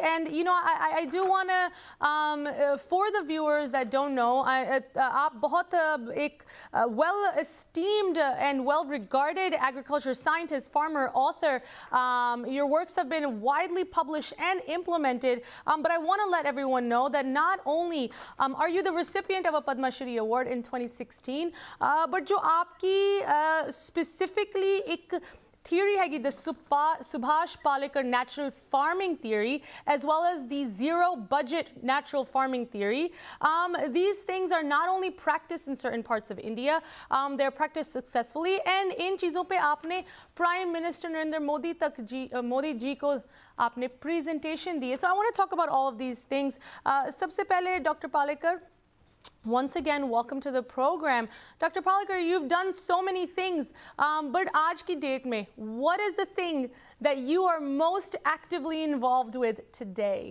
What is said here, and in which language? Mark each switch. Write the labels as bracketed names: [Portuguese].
[English] And you know, I do want to for the viewers that don't know, [Hindi] aap bahut ek [English] well esteemed and well regarded agriculture scientist, farmer, author. Your works have been widely published and implemented. But I want to let everyone know that not only are you the recipient of a Padma Shri Award in 2016, but [Hindi] jo aapki specifically ek theory हैगी [English] the Subhash Palekar natural farming theory as well as the zero budget natural farming theory these things are not only practice in certain parts of India they are practice successfully and [Hindi] in चीज़ों पर आपने prime minister Narendra Modi तक मोदी जी को आपने presentation दी है। [English] So I want talk about all of these things. [Hindi] सबसे पहले doctor Palekar [English] Once again, welcome to the program. Dr. Palekar, you've done so many things, but [Hindi] aaj ki date mein, [English] what is the thing that you are most actively involved with today?